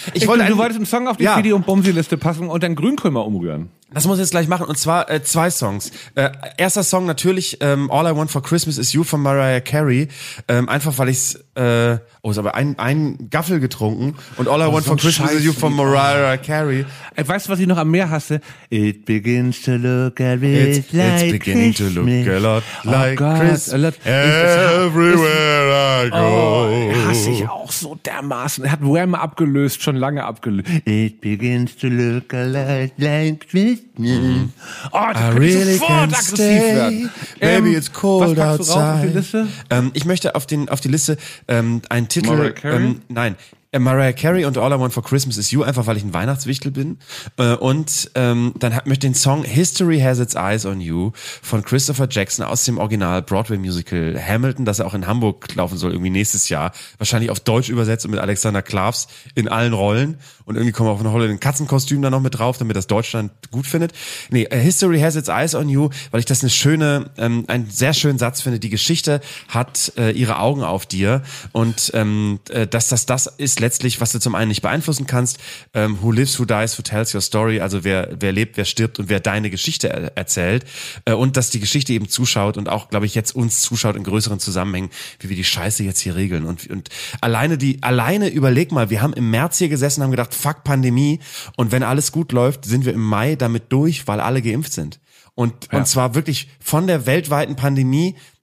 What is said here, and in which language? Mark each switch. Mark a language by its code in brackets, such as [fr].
[de] du wolltest einen Song auf die Fidi und Bumsi-Liste passen und dann Grünkohl mal umrühren. Das muss ich jetzt gleich machen, und zwar zwei Songs. Erster Song natürlich, All I Want for Christmas Is You von Mariah Carey. Einfach weil ich's, ist aber ein Gaffel getrunken, und All I Want for Christmas Is You von Mariah Carey. Weißt du, was ich noch am Meer hasse? [en] It begins to look a bit like it's beginning Christmas. To look a lot like Christmas. Everywhere I go. [de] Oh, hasse ich auch so dermaßen. Er hat Wham abgelöst, schon lange abgelöst. [en] It begins to look a lot like Christmas. [de] Oh, da könnte really sofort aggressiv werden. [en] Maybe it's cold was outside. [de] Was packst du raus auf die Liste? Ich möchte auf die Liste einen Titel. Mariah Carey? Mariah Carey und All I Want for Christmas Is You, einfach weil ich ein Weihnachtswichtel bin. Möchte den Song History Has Its Eyes on You von Christopher Jackson aus dem Original Broadway Musical Hamilton, das er auch in Hamburg laufen soll, irgendwie nächstes Jahr. Wahrscheinlich auf Deutsch übersetzt und mit Alexander Klavs in allen Rollen. Und irgendwie kommen auch noch Holle in Katzenkostüm da noch mit drauf, damit das Deutschland gut findet. History Has Its Eyes on You, weil ich das eine schöne, einen sehr schönen Satz finde. Die Geschichte hat ihre Augen auf dir, und das ist letztlich, was du zum einen nicht beeinflussen kannst. [en] Who lives, who dies, who tells your story? [de] Also wer lebt, wer stirbt und wer deine Geschichte erzählt. Und dass die Geschichte eben zuschaut und auch, glaube ich, jetzt uns zuschaut in größeren Zusammenhängen, wie wir die Scheiße jetzt hier regeln. Und alleine überleg mal, wir haben im März hier gesessen, haben gedacht, fuck Pandemie, und wenn alles gut läuft, sind wir im Mai damit durch, weil alle geimpft sind. Und zwar wirklich von der weltweiten Pandemie